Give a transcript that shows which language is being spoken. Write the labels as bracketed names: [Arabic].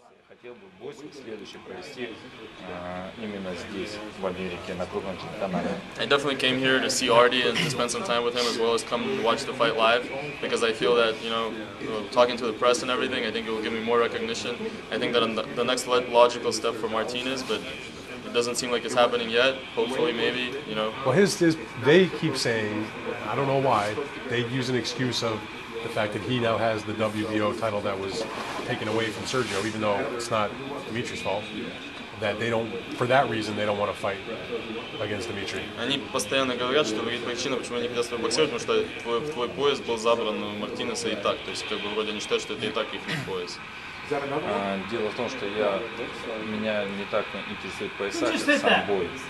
[Russian] Хотел бы 8 следующих провести именно здесь, в Америке, на крупном чемпионате. [English] I definitely came here to see Artie and to spend some time with him, as well as come watch the fight live, because I feel that, you know, talking to the press and everything, I think it will give me more recognition. I think that I'm the next logical step for Martinez, but it doesn't seem like it's happening yet. Hopefully, maybe, you know. Well, his they keep saying, I don't know why, they use an excuse of the fact that he now has the WBO title that was taken away from Sergio, even though it's not Dmitry's fault. That they don't, for that reason, they don't want to fight against Dmitry. [Russian] Они постоянно говорят, что есть причина, почему они хотят с тобой боксировать, потому что твой пояс был забран у Мартинеса и так. То есть, как бы, вроде они считают, что это и так их пояс. Дело в том, что меня не так интересует пояса, это сам бой.